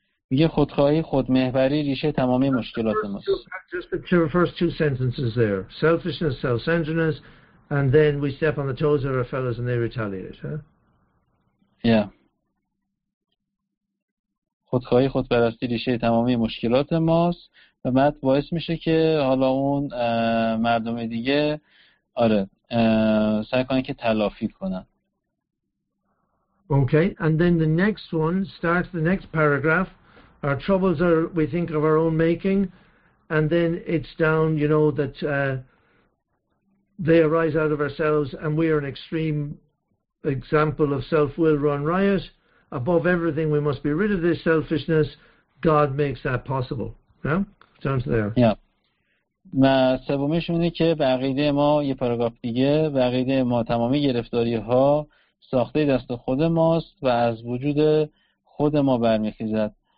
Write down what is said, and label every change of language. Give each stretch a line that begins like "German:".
Persian: میگه خودخواهی خودمحوری ریشه تمامی مشکلات ماست.
English: Just the first two sentences there. Selfishness, self-centeredness, and then we step on the toes of our fellows and they retaliate, huh? Yeah.
Persian: خودخواهی خودپرستی ریشه تمامی مشکلات ماست و بعد باعث میشه که حالا اون مردم دیگه آره سعی کنن که تلافی کنن.
English: Okay, and then the next one starts the next paragraph. Our troubles are, we think, of our own making, and then it's down, you know, that they arise out of ourselves, and we are an extreme example of self-will run riot. Above everything, we must be rid of this selfishness. God makes that possible. Yeah? Sounds there. Yeah.
Persian: ما سومیش اینه که به عقیده ما یه پاراگراف دیگه به عقیده ما تمامی گرفتاری ها ساخته دست خود ماست و از وجود خود ما برمیخیزد.